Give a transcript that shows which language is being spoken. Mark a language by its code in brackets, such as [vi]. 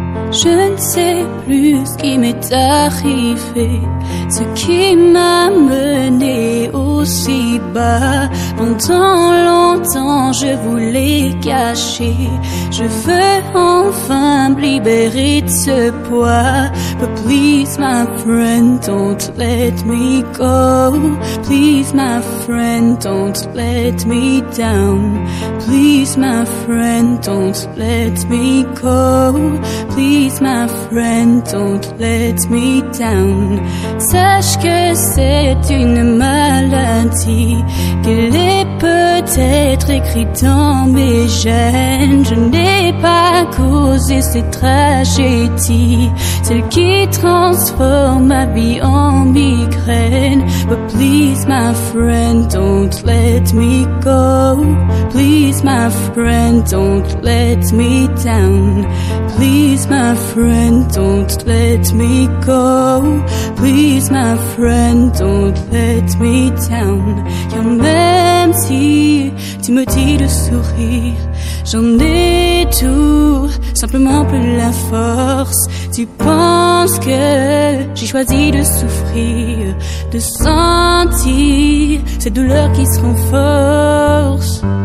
[fr] Je ne sais plus ce qui m'est arrivé, ce qui m'a mené aussi bas. Pendant longtemps, je voulais cacher. Je veux enfin me libérer de ce poids. [en] But please, my friend, don't let me go. Please, my friend, don't let me down. Please, my friend, don't let me go. Please, my friend, don't let me down. [fr] Sache que c'est une maladie, qu'elle est peut-être écrite dans mes gènes. Je n'ai pas causé cette tragédie, celle qui transforme ma vie en migraine. [en] But please, my friend, don't let me go. Please, my friend, don't let me down. Please, my friend, don't let me go. Please, my friend, don't let me down. [fr] Car même si tu me dis de sourire, j'en ai tout, simplement plus la force. Tu penses que j'ai choisi de souffrir, de sentir cette douleur qui se renforce.